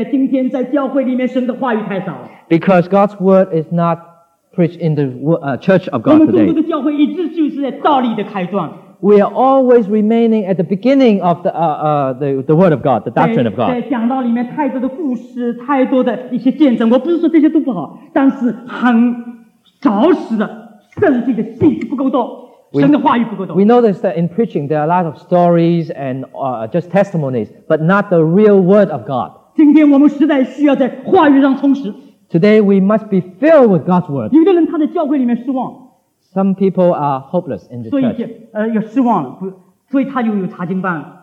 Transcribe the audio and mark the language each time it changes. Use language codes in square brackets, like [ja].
[zh] 但是因为在今天在教会里面神的话语太少了, [en] because God's word is not preached in the church of God today. [zh] 我们中国的教会一直就是在道理的开端, [en] we are always remaining at the beginning of the word of God, the doctrine of God. [zh] 在讲道里面太多的故事,太多的一些见证,我不是说这些都不好,但是很着实的,圣经的信息不够多,神的话语不够多。 [en] We know that in preaching there are a lot of stories and just testimonies, but not the real word of God. [zh] 今天我们实在需要在话语上充实。 [en] Today we must be filled with God's word. [zh] 有的人他在教会里面失望。 [en] Some people are hopeless in this church. [zh] 所以失望了,所以他就有查经办。